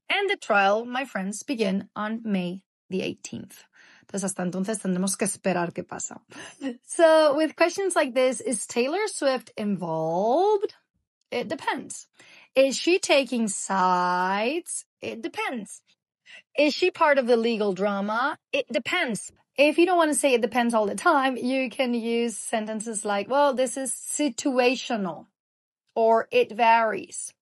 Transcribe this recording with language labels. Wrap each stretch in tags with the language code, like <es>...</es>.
<en>And the trial, my friends, begin on May the 18th.</en> <es>Entonces, hasta entonces tendremos que esperar qué pasa.</es> <en>So with questions like this, is Taylor Swift involved? It depends. Is she taking sides? It depends. Is she part of the legal drama? It depends. If you don't want to say it depends all the time, you can use sentences like, well, this is situational, or it varies.</en>